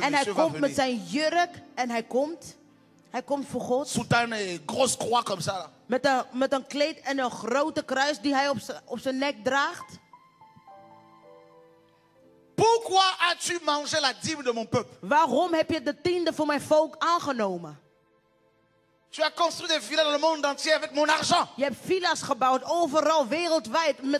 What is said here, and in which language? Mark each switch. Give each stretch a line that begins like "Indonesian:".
Dutch: en hij komt met zijn jurk en hij komt voor God.
French: Soutane et grosse croix comme ça.
Dutch: Met een kleed en een grote kruis die hij op zijn nek draagt.
French: Pourquoi as-tu mangé la dîme de mon peuple?
Dutch: Waarom heb je de tiende voor mijn volk aangenomen?
French: Tu as construit des villas dans le monde entier avec mon argent.
Dutch: Je hebt villa's gebouwd overal wereldwijd met